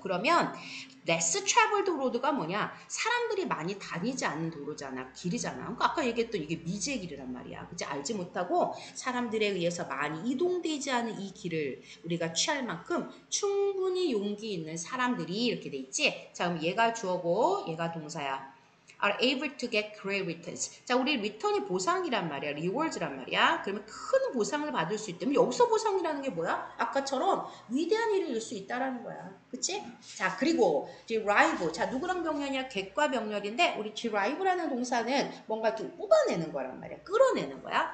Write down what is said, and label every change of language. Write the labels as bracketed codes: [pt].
[ko] 그러면 [en] less traveled road [ko] 가 뭐냐? 사람들이 많이 다니지 않는 도로잖아. 길이잖아. 그러니까 아까 얘기했던 이게 미지의 길이란 말이야. 그치? 알지 못하고 사람들에 의해서 많이 이동되지 않은 이 길을 우리가 취할 만큼 충분히 용기 있는 사람들이 이렇게 돼 있지? 자, 그럼 얘가 주어고 얘가 동사야. [en] are able to get great returns. [ko] 자, 우리 return이 보상이란 말이야, rewards란 말이야. 그러면 큰 보상을 받을 수 있다면 여기서 보상이라는 게 뭐야? 아까처럼 위대한 일을 일수 있다라는 거야, 그치? 자, 그리고 derive. 자, 누구랑 병렬이야? 객과 병렬인데 우리 derive라는 동사는 뭔가 이렇게 뽑아내는 거란 말이야, 끌어내는 거야.